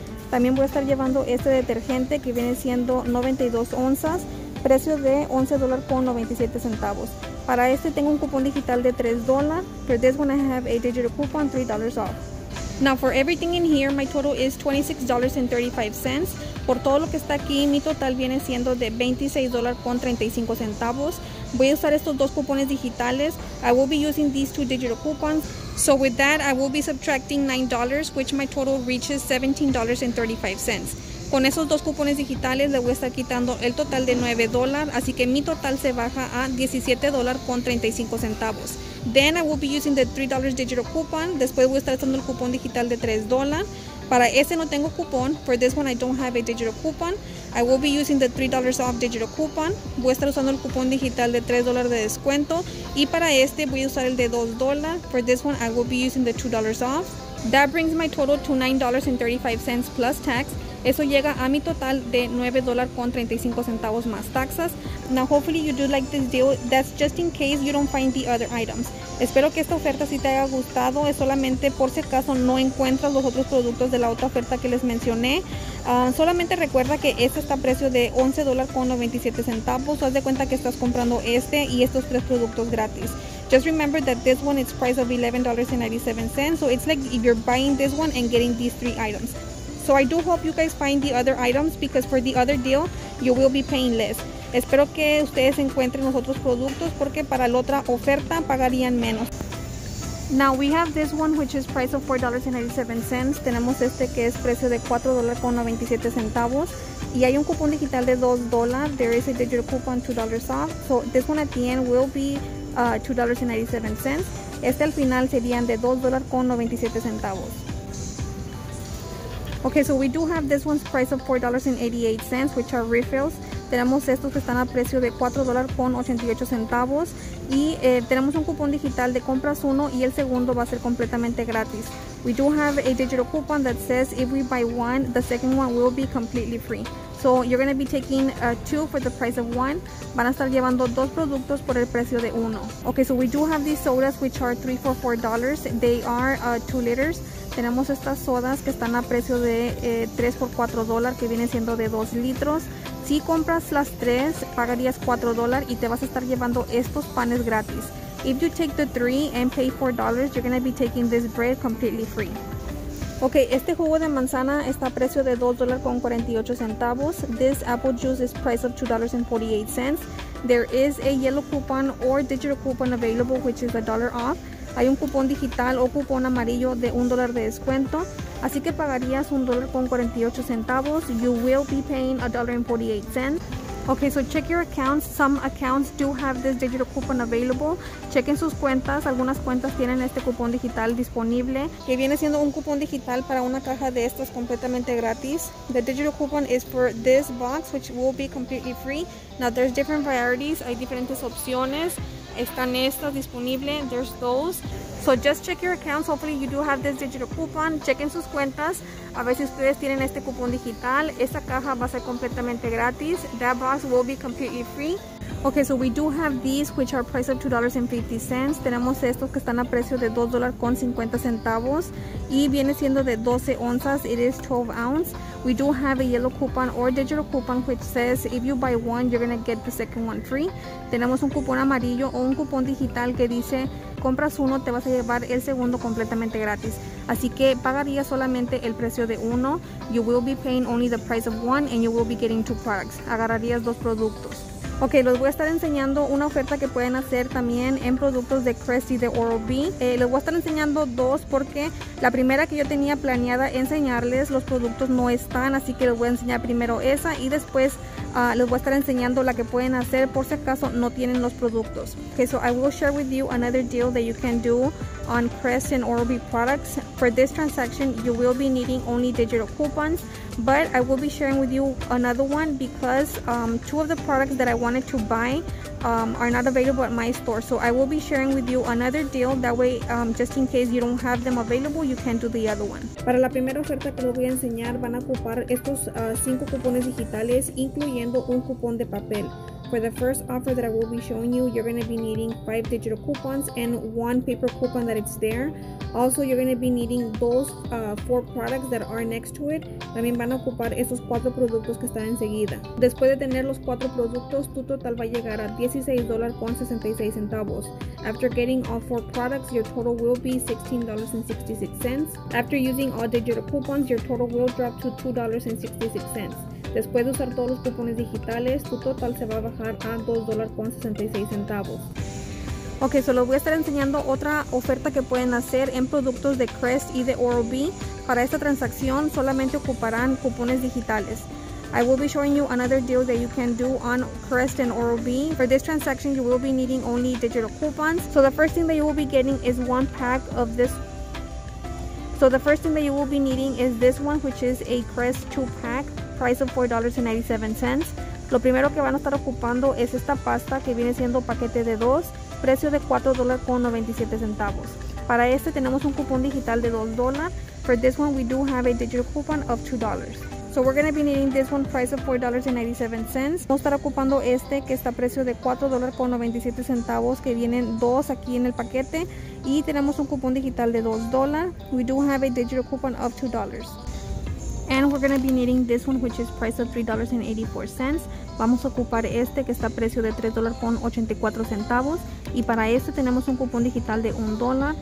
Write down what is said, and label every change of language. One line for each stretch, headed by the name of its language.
Spanish: También voy a estar llevando este detergente que viene siendo 92 onzas, precio de $11.97. Para este tengo un cupón digital de $3.
English: For this one I have a digital coupon $3 off. Now for everything in here, my total is $26.35.
Spanish: Por todo lo que está aquí, mi total viene siendo de $26.35. Voy a usar estos 2 cupones digitales.
English: I will be using these 2 digital coupons. So with that, I will be subtracting $9, which my total reaches $17.35.
Spanish: Con esos 2 cupones digitales le voy a estar quitando el total de $9, así que mi total se baja a $17.35.
English: Then I will be using the $3 digital coupon.
Spanish: Después voy a estar usando el cupón digital de $3. Para ese no tengo cupón.
English: For this one I don't have a digital coupon. I will be using the $3 off digital coupon.
Spanish: Voy a estar usando el cupón digital de $3 de descuento. Y para este voy a usar el de $2.
English: For this one I will be using the $2 off. That brings my total to $9.35 plus tax.
Spanish: Eso llega a mi total de $9.35 más taxas.
English: Now hopefully you do like this deal. That's just in case you don't find the other items.
Spanish: Espero que esta oferta sí te haya gustado. Es solamente por si acaso no encuentras los otros productos de la otra oferta que les mencioné. Solamente recuerda que este está a precio de $11.97. Haz de cuenta que estás comprando este y estos 3 productos gratis.
English: Just remember that this one is price of $11.97. So it's like if you're buying this one and getting these 3 items. So I do hope you guys find the other items because for the other deal, you will be paying less.
Spanish: Espero que ustedes encuentren los otros productos porque para la otra oferta pagarían menos.
English: Now we have this one which is price of $4.97.
Spanish: Tenemos este que es precio de $4.97. Y hay un cupón digital de $2.
English: There is a digital coupon $2 off. So this one at the end will be $2.97.
Spanish: Este al final serían de $2.97.
English: Okay, so we do have this one's price of $4.88, which are refills.
Spanish: Tenemos estos que están a precio de $4.88. Y tenemos un cupón digital de compras uno y el segundo va a ser completamente gratis.
English: We do have a digital coupon that says if we buy one, the second one will be completely free. So you're going to be taking two for the price of one.
Spanish: Van a estar llevando dos productos por el precio de uno.
English: Okay, so we do have these sodas which are $3 for $4. They are 2 liters.
Spanish: Tenemos estas sodas que están a precio de 3 por 4 dólares, que viene siendo de 2 litros. Si compras las 3, pagarías 4 dólares y te vas a estar llevando estos panes gratis.
English: If you take the 3 and pay $4, you're going to be taking this bread completely free.
Spanish: Ok, este jugo de manzana está a precio de $2.48.
English: This apple juice is price of $2.48. There is a yellow coupon or digital coupon available, which is $1 off.
Spanish: Hay un cupón digital o cupón amarillo de $1 de descuento, así que pagarías $1.48.
English: You will be paying $1.48. Okay, so check your accounts. Some accounts do have this digital coupon available.
Spanish: Chequen sus cuentas. Algunas cuentas tienen este cupón digital disponible. Que viene siendo un cupón digital para una caja de estas completamente gratis.
English: The digital coupon is for this box, which will be completely free. Now, there's different varieties.
Spanish: Hay diferentes opciones. Están estas disponibles.
English: There's those. So just check your accounts. Hopefully you do have this digital coupon.
Spanish: Chequen sus cuentas. A ver si ustedes tienen este cupón digital. Esta caja va a ser completamente gratis.
English: That box will be completely free. Okay, so we do have these which are price of $2.50.
Spanish: Tenemos estos que están a precio de $2.50. Y viene siendo de 12 onzas.
English: It is 12 ounces. We do have a yellow coupon or digital coupon which says if you buy one, you're going to get the second one free.
Spanish: Tenemos un cupón amarillo o un cupón digital que dice compras uno, te vas a llevar el segundo completamente gratis. Así que pagaría solamente el precio de uno.
English: You will be paying only the price of one and you will be getting two products.
Spanish: Agarrarías dos productos. Ok, les voy a estar enseñando una oferta que pueden hacer también en productos de Crest y de Oral-B. Les voy a estar enseñando dos porque la primera que yo tenía planeada enseñarles, los productos no están, así que les voy a enseñar primero esa y después les voy a estar enseñando la que pueden hacer por si acaso no tienen los productos.
English: Ok, so I will share with you another deal that you can do on Crest and Oral-B products. For this transaction, you will be needing only digital coupons, but I will be sharing with you another one because two of the products that I wanted to buy are not available at my store. So I will be sharing with you another deal. That way, just in case you don't have them available, you can do the other one.
Spanish: Para la primera oferta que les voy a enseñar, van a ocupar estos 5 cupones digitales, incluyendo un cupón de papel.
English: For the first offer that I will be showing you, you're going to be needing 5 digital coupons and 1 paper coupon that it's there. Also, you're going to be needing those 4 products that are next to it.
Spanish: También van a ocupar esos 4 productos que están enseguida. Después de tener los 4 productos, tu total va a llegar a $16.66.
English: After getting all 4 products, your total will be $16.66. After using all digital coupons, your total will drop to $2.66.
Spanish: Después de usar todos los cupones digitales, tu total se va a bajar a $2.66. Ok, solo voy a estar enseñando otra oferta que pueden hacer en productos de Crest y de Oral-B. Para esta transacción solamente ocuparán cupones digitales.
English: I will be showing you another deal that you can do on Crest and Oral-B. For this transaction, you will be needing only digital coupons. So the first thing that you will be getting is one pack of this. So the first thing that you will be needing is this one, which is a Crest 2-pack. Price of $4.97.
Spanish: Lo primero que van a estar ocupando es esta pasta que viene siendo paquete de 2, precio de $4.97. Para este tenemos un cupón digital de $2.
English: For this one we do have a digital coupon of $2. So we're going to be needing this one, price of $4.97.
Spanish: Vamos a estar ocupando este que está a precio de $4.97, que vienen dos aquí en el paquete, y tenemos un cupón digital de $2.
English: We do have a digital coupon of $2. And we're going to be needing this one, which is price of $3.84.
Spanish: Vamos a ocupar este que está a precio de $3.84. Y para este tenemos un cupón digital de $1.